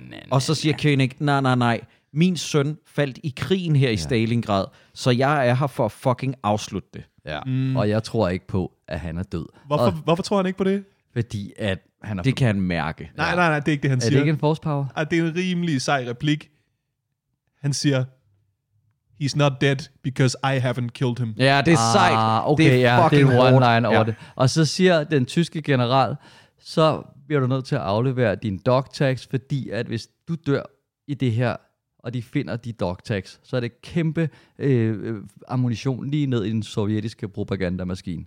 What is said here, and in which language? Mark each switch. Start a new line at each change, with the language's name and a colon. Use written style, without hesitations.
Danish: Og så siger König, nej, min søn faldt i krigen her i Stalingrad, så jeg er her for at fucking afslutte det. Ja, og jeg tror ikke på, at han er død. Hvorfor tror han ikke på det? Fordi at han er... Det kan han mærke. Nej, det er ikke det, han siger. Er det ikke en force power? Ej, det er en rimelig sej replik. Han siger,
English: he's not dead because I haven't killed him.
Danish: Ja, det er sejt. Okay, det er fucking hårdt. Det er one-line over det. Og så siger den tyske general, så bliver du nødt til at aflevere din dog tags, fordi at hvis du dør i det her... og de finder de dog tags, så er det kæmpe ammunition lige ned i den sovjetiske propagandamaskine.